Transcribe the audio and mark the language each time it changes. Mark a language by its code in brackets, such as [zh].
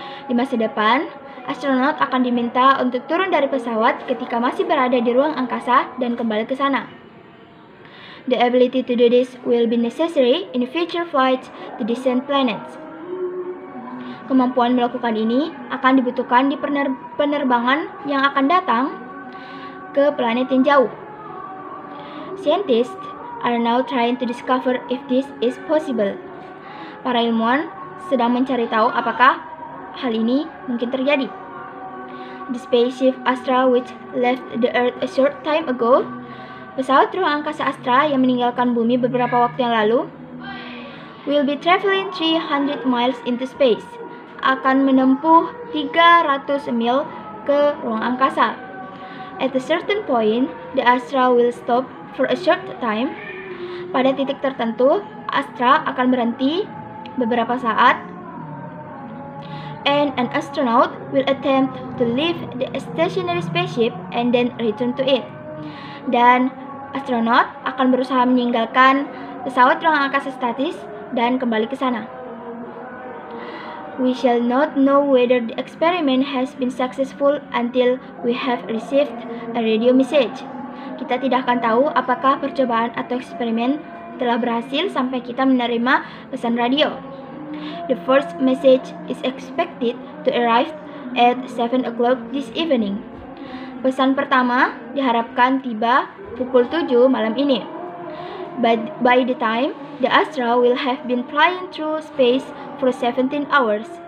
[id] Di masa depan, astronaut akan diminta untuk turun dari pesawat ketika masih berada di ruang angkasa dan kembali ke sana. [en] The ability to do this will be necessary in future flights to descend planets. [id] Kemampuan melakukan ini akan dibutuhkan di penerbangan yang akan datang ke planet yang jauh. [en] Scientists are now trying to discover if this is possible. [id] Para ilmuwan sedang mencari tahu apakah hal ini mungkin terjadi. [en] The spaceship Astra which left the Earth a short time ago, [id] pesawat ruang angkasa Astra yang meninggalkan bumi beberapa waktu yang lalu, [en] will be traveling 300 miles into space, [id] akan menempuh 300 mil ke ruang angkasa. [en] At a certain point, the Astra will stop for a short time. [id] Pada titik tertentu, Astra akan berhenti beberapa saat, [en] and an astronaut will attempt to leave the stationary spaceship and then return to it. [id] Dan astronot akan berusaha meninggalkan pesawat ruang angkasa statis dan kembali ke sana. [en] We shall not know whether the experiment has been successful until we have received a radio message. [id] Kita tidak akan tahu apakah percobaan atau eksperimen telah berhasil sampai kita menerima pesan radio. [en] The first message is expected to arrive at 7 o'clock this evening. [id] Pesan pertama diharapkan tiba pukul 7 malam ini. [en] By the time, the Astra will have been flying through space for 17 hours.